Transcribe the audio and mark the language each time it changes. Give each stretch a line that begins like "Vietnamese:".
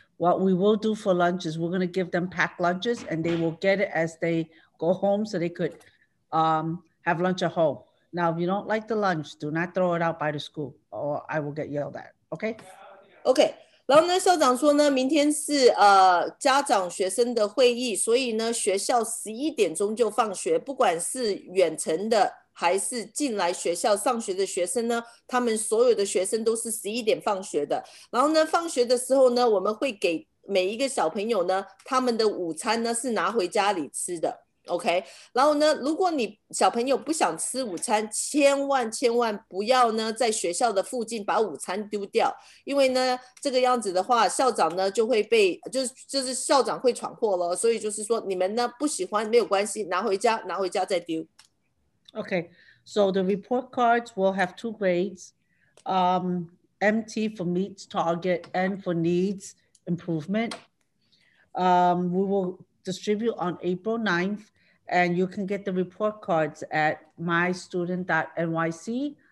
English: What we will do for lunch is we're going to give them packed lunches and they will get it as they go home so they could have lunch at home. Now, if you don't like the lunch, do not throw it out by the school or I will get yelled at. Okay? Okay.
Chinese: 然后呢校长说呢明天是家长学生的会议，所以呢学校11点钟就放学，不管是远程的还是进来学校上学的学生呢，他们所有的学生都是11点放学的。然后呢放学的时候呢我们会给每一个小朋友呢他们的午餐呢是拿回家里吃的。 OK，然后呢，如果你小朋友不想吃午餐，千万千万不要呢在学校的附近把午餐丢掉，因为呢这个样子的话，校长呢就会被，就是校长会闯祸了，所以就是说你们呢不喜欢没有关系，拿回家，拿回家再丢。
English: Okay, so the report cards will have two grades, empty for meets target and for needs improvement. We will distribute on April 9th, and you can get the report cards at mystudent.nyc.